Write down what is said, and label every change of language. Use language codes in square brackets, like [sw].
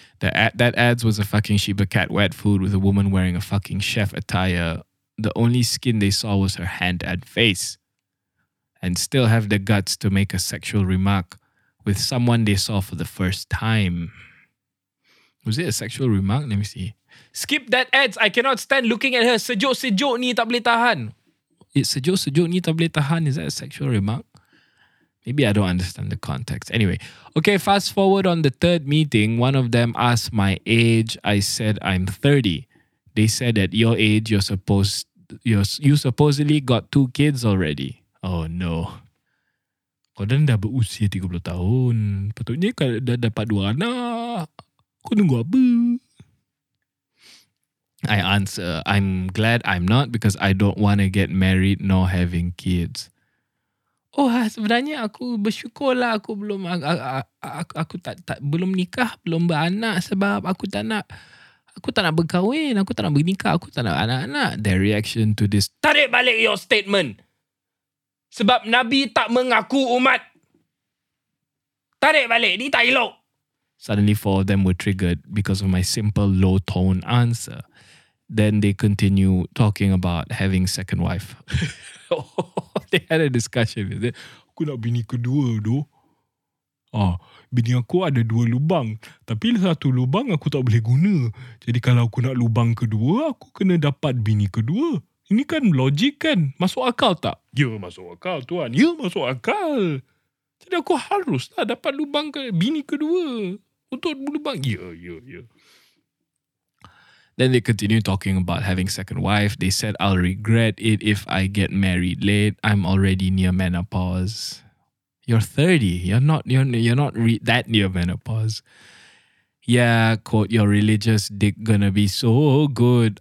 [en] That ads was a fucking Shiba cat wet food with a woman wearing a fucking chef attire. The only skin they saw was her hand and face. And still have the guts to make a sexual remark with someone they saw for the first time. Was it a sexual remark? Let me see. Skip that ads. I cannot stand looking at her. [ms] Sejuk-sejuk ni tak boleh tahan. Sejuk-sejuk ni tak boleh tahan. [en] Is that a sexual remark? Maybe I don't understand the context. Anyway. Okay, fast forward on the third meeting. One of them asked my age. I said I'm 30. They said at your age, you supposedly got two kids already. Oh no. [ms] Kodan dah berusia 30 tahun. Patutnya kalau dah dapat dua anak. Kau nunggu apa? [en] I answer, I'm glad I'm not because I don't want to get married nor having kids. [ms] Oh, sebenarnya aku bersyukur lah aku belum aku tak belum nikah, belum beranak sebab aku tak nak berkahwin, aku tak nak bernikah, aku tak nak anak-anak. [en] Their reaction to this, [ms] tarik balik [en] your statement. [ms] Sebab Nabi tak mengaku umat. Tarik balik, ni tak elok. [en] Suddenly four of them were triggered because of my simple low tone answer. Then they continue talking about having second wife. They had a discussion with it. [ms] Aku nak bini kedua tu. Ah, bini aku ada dua lubang. Tapi satu lubang aku tak boleh guna. Jadi kalau aku nak lubang kedua, aku kena dapat bini kedua. Ini kan logik kan? Masuk akal tak? Ya, masuk akal tuan. Ya, masuk akal. Jadi aku haruslah dapat lubang bini kedua. Untuk lubang. Ya. [en] Then they continue talking about having second wife. They said, I'll regret it if I get married late. I'm already near [ms] menopause. [en] You're 30. You're not that near menopause. Yeah, quote, your religious dick gonna be so good.